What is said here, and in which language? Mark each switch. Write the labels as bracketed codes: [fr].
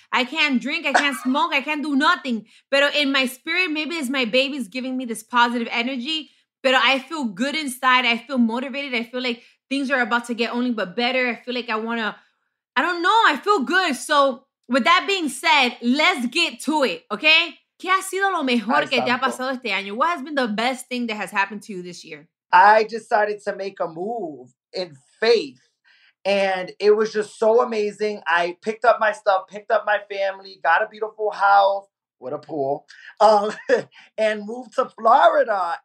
[en] I can't drink. I can't smoke. I can't do nothing. But in my spirit, maybe it's my baby's giving me this positive energy. But I feel good inside. I feel motivated. I feel like things are about to get only but better. I feel like I don't know. I feel good. So with that being said, let's get to it, okay? [es] ¿Qué ha sido lo mejor que te ha pasado este año? [en] What has been the best thing that has happened to you this year? I decided to make a move in faith. And it was just so amazing. I picked up my stuff, picked up my family, got a beautiful house with a pool, and moved to Florida.